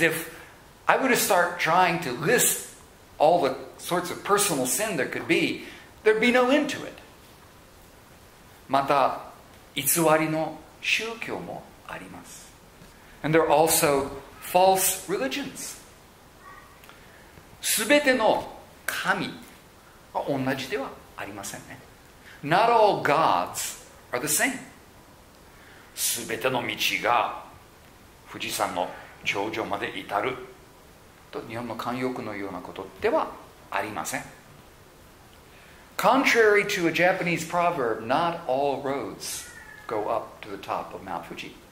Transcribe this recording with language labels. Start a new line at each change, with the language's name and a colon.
English: If I were to start trying to list all the sorts of personal sin there could be, there'd be no end to it.
Japanese: また、偽りの宗教もあります。
English: And there are also false religions.
Japanese: すべての神は同じではありませんね。
English: Not all gods are the same.
Japanese: すべての道が富士山の頂上まで至ると日本の慣用句のようなことではありません。
English: Contrary to a Japanese proverb, not all roads go up to the top of Mount Fuji.